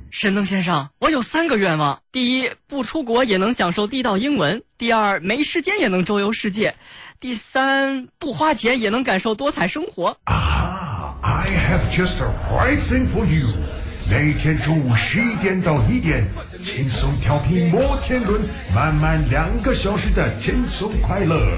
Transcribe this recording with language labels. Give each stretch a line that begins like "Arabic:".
Chinese: 神灯先生，我有三个愿望，第一，不出国也能享受地道英文，第二，没时间也能周游世界，第三，不花钱也能感受多彩生活。
English: 啊哈 I have just a right thing for you.
Chinese: 每天中午11点到1点，轻松调频摩天轮，满满2个小时的轻松快乐。